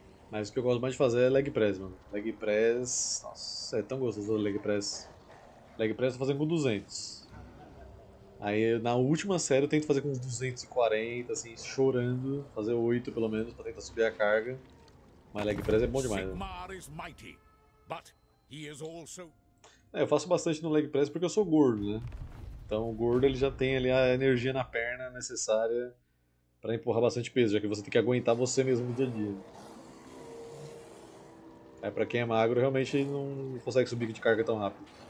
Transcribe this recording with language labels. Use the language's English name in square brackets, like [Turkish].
[Portuguese] Mas o que eu gosto mais de fazer é leg press, mano. Leg press. Nossa, é tão gostoso o leg press. Leg press eu tô fazendo com 200. Aí na última série eu tento fazer com 240, assim, chorando. Fazer 8 pelo menos, pra tentar subir a carga. Mas leg press é bom demais, né? [English] Sigmar is mighty, but he is also... [Portuguese] É, eu faço bastante no leg press porque eu sou gordo, né? Então o gordo ele já tem ali a energia na perna necessária pra empurrar bastante peso, já que você tem que aguentar você mesmo no dia a dia. É, pra quem é magro, realmente não consegue subir de carga tão rápido.